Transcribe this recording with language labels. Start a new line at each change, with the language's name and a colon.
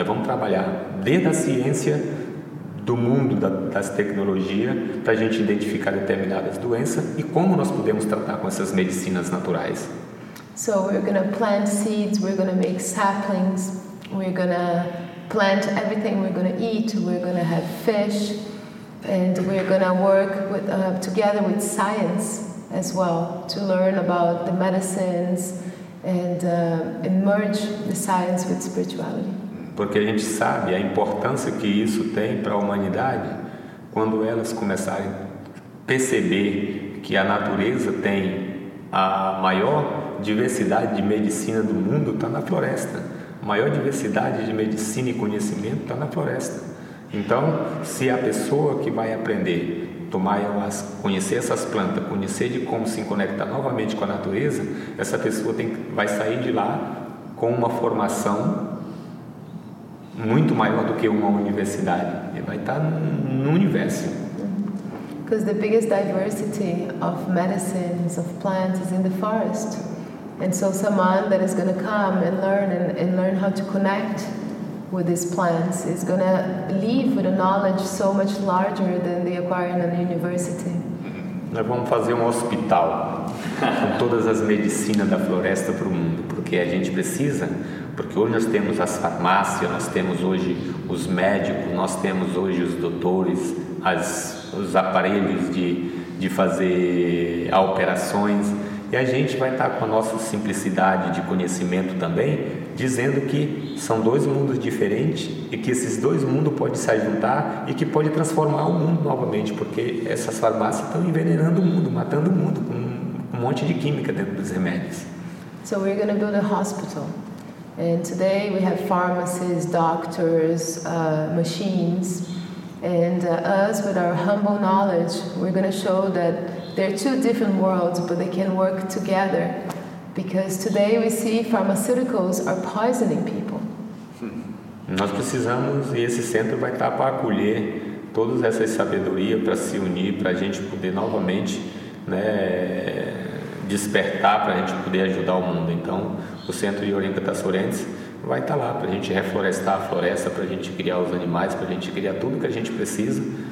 Portuguese: Nós vamos trabalhar desde a ciência do mundo, das tecnologias, para a gente identificar determinadas doenças e como nós podemos tratar com essas medicinas naturais.
English: So we're going to plant seeds, we're going to make saplings, we're going to plant everything we're going to eat, we're going to have fish, and we're going to work with, together with science as well to learn about the medicines and merge the science with spirituality.
Portuguese: Porque a gente sabe a importância que isso tem para a humanidade quando elas começarem a perceber que a natureza tem a maior diversidade de medicina do mundo está na floresta. A maior diversidade de medicina e conhecimento está na floresta. Então, se a pessoa que vai aprender tomar ayahuasca, conhecer essas plantas, conhecer de como se conectar novamente com a natureza, essa pessoa vai sair de lá com uma formação muito maior do que uma universidade. Ele vai estar no universo.
English: Because the biggest diversity of medicines, of plants, is in the forest. And so someone that is going to come and learn and learn how to connect with these plants is going to leave with a knowledge so much larger than they acquire in a university.
Portuguese: Nós vamos fazer hospital com todas as medicinas da floresta para o mundo, porque a gente precisa, porque hoje nós temos as farmácias, nós temos hoje os médicos, nós temos hoje os doutores, os aparelhos de fazer operações. E a gente vai estar com a nossa simplicidade de conhecimento também, dizendo que são dois mundos diferentes e que esses dois mundos podem se juntar e que pode transformar o mundo novamente, porque essas farmácias estão envenenando o mundo, matando o mundo com um monte de química dentro dos remédios.
English: So we're going to build a hospital. And today we have pharmacies, doctors, machines, and us with our humble knowledge, we're going to show that there are two different worlds, but they can work together. Because today we see pharmaceuticals are poisoning people.
Portuguese: Nós precisamos, e esse centro vai estar para acolher todas essas sabedorias, para se unir, para a gente poder novamente, né, despertar para a gente poder ajudar o mundo. Então, o Centro Yorinka Tassorentes vai estar lá para a gente reflorestar a floresta, para a gente criar os animais, para a gente criar tudo que a gente precisa.